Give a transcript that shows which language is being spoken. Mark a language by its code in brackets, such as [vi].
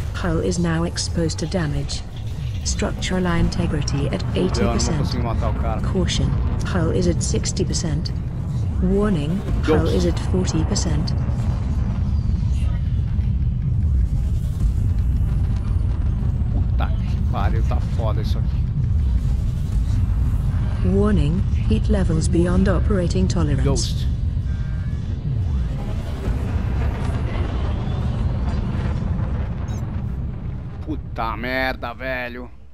[en] Hull is now exposed to damage. Structural integrity at 80%. [pt] Eu não consigo matar o cara. [en] Caution. Hull is at 60%. Warning. Deus. Hull is at 40%. [pt] Puta que pariu, tá foda isso aqui. [en] Warning. Heat levels beyond operating tolerance. Ghost. [pt] Puta merda, velho.